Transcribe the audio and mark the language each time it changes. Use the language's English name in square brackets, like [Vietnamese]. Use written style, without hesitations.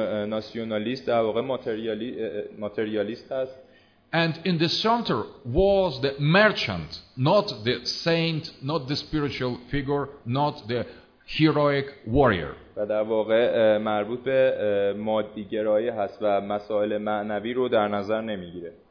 [Persian] ناسیونالیست در واقع ماتریالیست است. [English] And in the center was the merchant, not the saint, not the spiritual figure, not the heroic warrior. [Persian] و در واقع مربوط به مادیگرایی هست و مسائل معنوی رو در نظر نمیگیره.